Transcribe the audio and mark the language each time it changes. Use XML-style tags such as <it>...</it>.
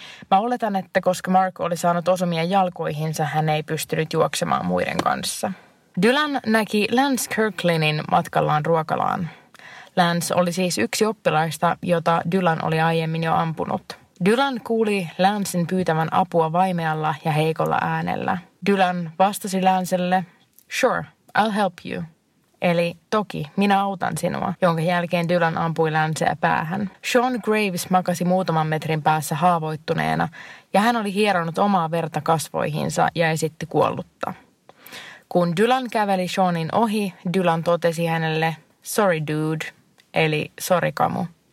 <fi>Mä oletan, että koska Mark oli saanut osumia jalkoihinsa, hän ei pystynyt juoksemaan muiden kanssa. Dylan näki Lance Kirklinin matkallaan ruokalaan. Lance oli siis yksi oppilaista, jota Dylan oli aiemmin jo ampunut. Dylan kuuli Lancen pyytävän apua vaimealla ja heikolla äänellä. Dylan vastasi Lancelle,</fi> <en>"Sure, I'll help you."</en> <fi>Eli toki, minä autan sinua, jonka jälkeen Dylan ampui Lancea päähän. Sean Graves makasi muutaman metrin päässä haavoittuneena ja hän oli hieronnut omaa verta kasvoihinsa ja esitti kuollutta. Kun Dylan käveli Seanin ohi, Dylan totesi hänelle,</fi> <en>"Sorry dude,"</en> <fi>eli sorry kamu.</fi>